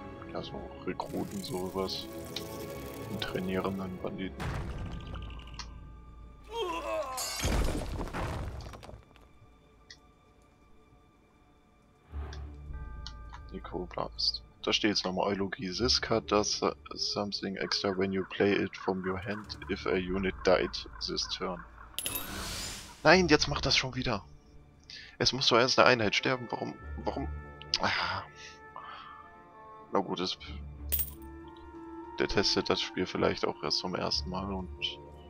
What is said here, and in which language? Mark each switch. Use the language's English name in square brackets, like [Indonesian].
[German] Ja, so Rekruten, sowas. Einen trainierenden Banditen. Nikola ist. Da steht jetzt nochmal Eulogie. [English] Ziska does something extra when you play it from your hand if a unit died this turn. [German] Nein, jetzt macht das schon wieder. Es muss doch erst eine Einheit sterben. Warum? Ah. Na gut, der testet das Spiel vielleicht auch erst zum ersten Mal und.